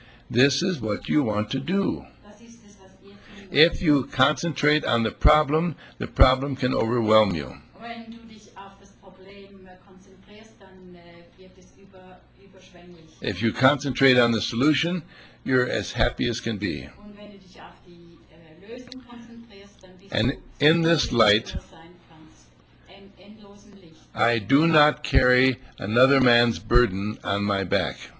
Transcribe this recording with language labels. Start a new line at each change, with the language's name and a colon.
English: This is what you want to do. If you concentrate on the problem can overwhelm you.
German: Wenn du dich auf das Problem konzentrierst, dann wird es überschwänglich.
English: If you concentrate on the solution, you're as happy as can be.
German: Und wenn du dich auf die Lösung konzentrierst, dann bist
English: and
German: du
English: in this light,
German: endlosen Licht.
English: I do not carry another man's burden on my back.